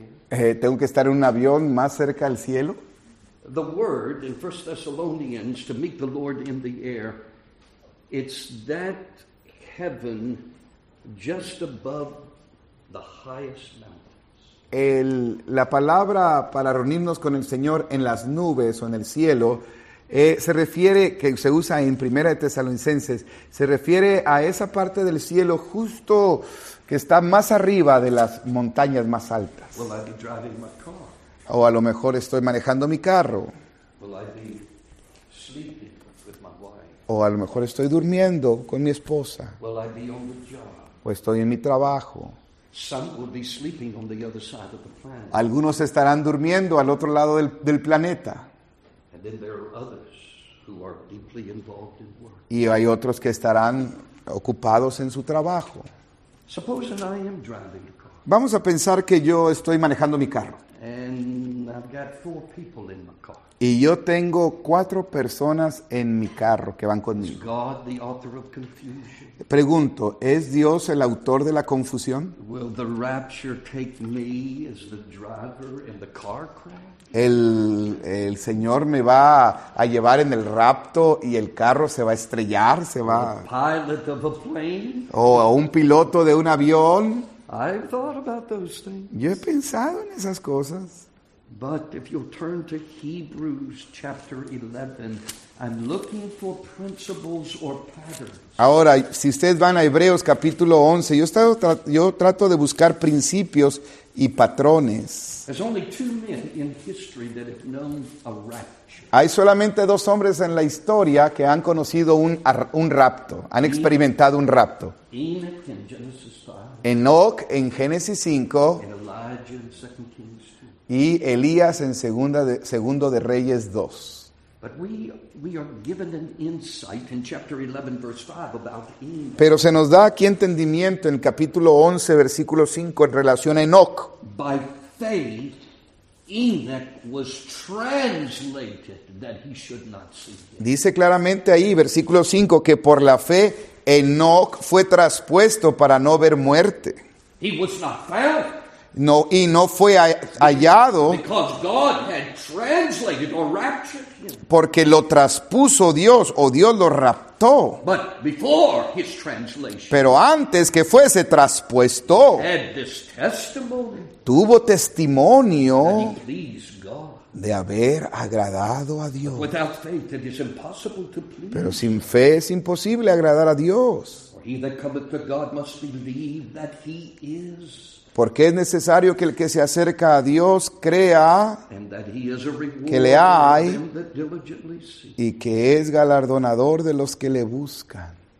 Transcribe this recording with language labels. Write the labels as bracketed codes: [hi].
[es] Tengo que estar en un avión más cerca al cielo. [en] The word in 1 Thessalonians to meet the Lord in the air, it's that heaven just above the highest mountains. [es] La palabra para reunirnos con el Señor en las nubes o en el cielo. Se refiere, que se usa en Primera de Tesalonicenses, se refiere a esa parte del cielo justo que está más arriba de las montañas más altas. [en] Will I be driving my car? [es] O a lo mejor estoy manejando mi carro. [en] Will I be sleeping with my wife? [es] O a lo mejor estoy durmiendo con mi esposa. [en] Will I be on the job? [es] O estoy en mi trabajo. [en] Some will be sleeping on the other side of the planet. [es] Algunos estarán durmiendo al otro lado del planeta. [en] And then there are others who are deeply involved in work. [es] Y hay otros que estarán ocupados en su trabajo. [en] Suppose that I am driving a car. [es] Vamos a pensar que yo estoy manejando mi carro. [en] And I've got four people in my car. [es] Y yo tengo cuatro personas en mi carro que van conmigo. [en] Is God the author of confusion? [es] Pregunto, ¿es Dios el autor de la confusión? [en] Will the rapture take me as the driver in the car crash? [es] El Señor me va a llevar en el rapto y el carro se va a estrellar, se va. [en] The pilot of a plane? [es] O un piloto de un avión. [en] I've thought about those things. [es] Yo he pensado en esas cosas. [en] But if you'll turn to Hebrews chapter 11, I'm looking for principles or patterns. [es] Ahora, si ustedes van a Hebreos capítulo 11, yo trato de buscar principios y patrones. [en] There's only two men in history that have known a rapture. [es] Hay solamente dos hombres en la historia que han conocido un rapto, han experimentado un rapto. [en] Enoch in Genesis 5. [es] Enoch en Génesis 5. [en] And Elijah in 2 Kings 2. [es] Y Elías en segundo de Reyes 2. [en] But we are given an insight in chapter 11 verse 5 about Enoch. [es] Pero se nos da aquí entendimiento en el capítulo 11 versículo 5 en relación a Enoch. [en] By faith Enoch was translated that he should not see him. [es] Dice claramente ahí versículo 5 que por la fe Enoch fue traspuesto para no ver muerte. [en] He was not found. [es] No, y no fue hallado [en] because God had translated or raptured him. [es] Porque lo traspuso Dios o Dios lo raptó. [en] But before his translation, [es] pero antes que fuese traspuesto, [en] had this testimony, [es] tuvo testimonio [en] that he pleased God. [es] De haber agradado a Dios. [en] Without faith, it is impossible to please. [es] Pero sin fe es imposible agradar a Dios. [en] For he that cometh to God must believe that he is. [es] Porque es necesario que el que se acerca a Dios crea que le hay y que es galardonador de los que le buscan.